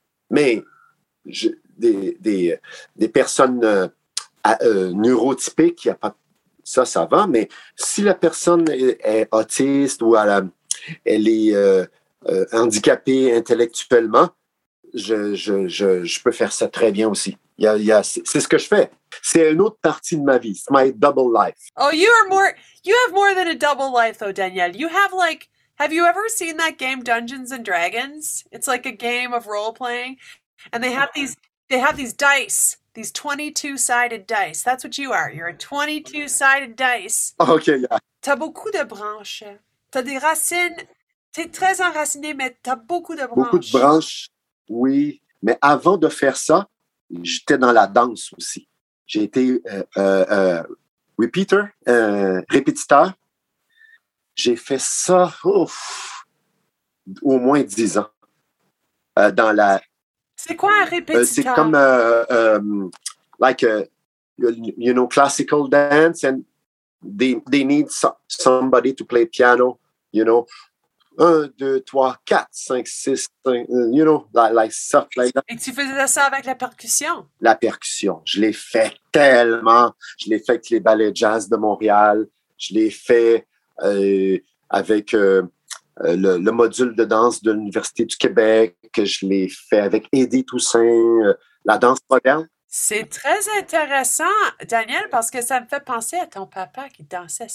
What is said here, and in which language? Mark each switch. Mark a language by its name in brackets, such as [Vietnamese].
[French] Mais des personnes neurotypiques, y a pas ça va. Mais si la personne est autiste ou elle est handicapée intellectuellement, je peux faire ça très bien aussi. C'est ce que je fais. C'est une autre partie de ma vie. [English] It's my double life. Oh, you have more than a double life, though, Danielle. You have like, have you ever seen that game Dungeons and Dragons? It's like a game of role playing, and they have these dice, these 22-sided dice. That's what you are. You're a 22-sided dice. Okay, yeah. [French] T'as beaucoup de branches. T'as des racines. T'es très enraciné, mais t'as beaucoup de branches. Beaucoup de branches. Oui, mais avant de faire ça. J'étais dans la danse aussi. J'ai été répétiteur. J'ai fait ça au moins 10 ans. Dans la. C'est quoi un répétiteur? C'est comme [English] classical dance and they need somebody to play piano, you know. [French] un, deux, trois, quatre, cinq, six, cinq, [English] you know, like stuff like that. [French] Et tu faisais ça avec la percussion? La percussion. Je l'ai fait tellement. Je l'ai fait avec les ballets jazz de Montréal. Je l'ai fait avec le module de danse de l'Université du Québec. Je l'ai fait avec Eddie Toussaint, la danse moderne. C'est très intéressant, Daniel, parce que ça me fait penser à ton papa qui dansait.